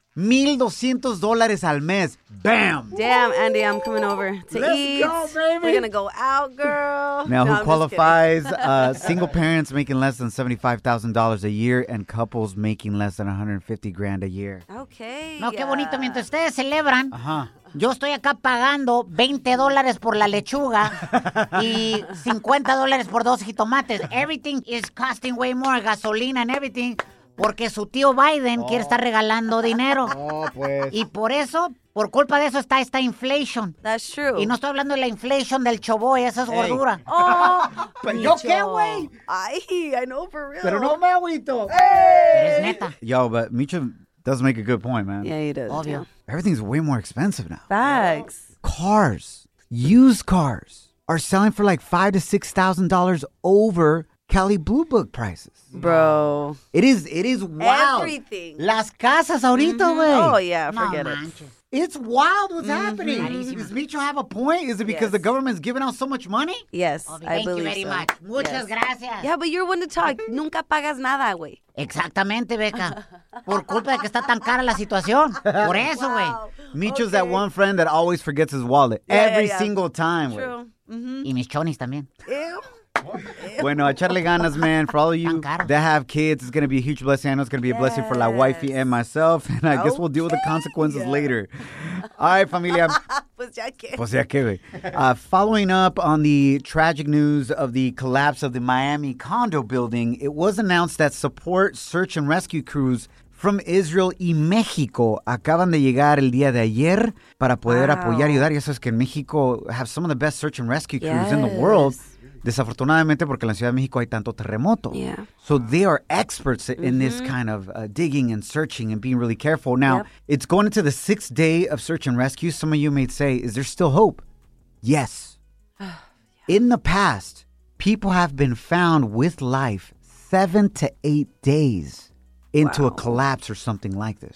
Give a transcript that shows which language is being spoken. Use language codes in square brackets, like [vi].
[es] $1,200 al mes. Bam. [en] Damn, Andy, I'm coming over to Let's go, baby. We're going to go out, girl. Now, who qualifies? single parents making less than $75,000 a year and couples making less than $150,000 a year. Okay. [es] No, qué bonito mientras ustedes celebran. Uh-huh. yo estoy acá pagando $20 por la lechuga y $50 por dos jitomates. [en] Everything is costing way more, [es] gasolina [en] and everything, [es] porque su tío Biden quiere estar regalando dinero. Y por eso, por culpa de eso está esta inflation. [en] That's true. [es] Y no estoy hablando de la inflation del choboy, esa es gordura. Oh, yo qué, güey. [en] Ay, I know for real. [es] Pero no me agüito. Pero es neta. [en] Yo, but Micho does make a good point, man. Yeah, he does. [es] Obvio. [en] Everything's way more expensive now. Facts. Cars, used cars, are selling for like $5,000 to $6,000 over Cali Blue Book prices. Bro. It is wild. Everything. [es] Las casas ahorita, güey. [en] Mm-hmm. Oh, yeah, forget it. It's wild what's happening. Mm-hmm. Does Micho have a point? Is it because the government's giving out so much money? Yes, okay. Thank you very much. [es] Muchas gracias. [en] Yeah, but you're one to talk. [es] Nunca pagas nada, güey. Exactamente, Becca. Por culpa de que está tan cara la situación. Por eso, güey. [en] Wow. Micho's that one friend that always forgets his wallet. Every single time, true. [es] Y mis chonis también. Bueno, echarle ganas, man. [en] For all of you that have kids, it's going to be a huge blessing. I know it's going to be a blessing for la wifey and myself. And I guess we'll deal with the consequences later. All right, familia. [es] Pues ya que. [en] Following up on the tragic news of the collapse of the Miami condo building, it was announced that support, search, and rescue crews from Israel [es] y México acaban de llegar el día de ayer para poder apoyar y ayudar. Y eso es que en México [en] have some of the best search and rescue crews in the world. [es] Desafortunadamente, porque en la Ciudad de México hay tanto terremoto. [en] Yeah. So they are experts in this kind of digging and searching and being really careful. Now, it's going into the sixth day of search and rescue. Some of you may say, is there still hope? Yes. In the past, people have been found with life 7 to 8 days into a collapse or something like this.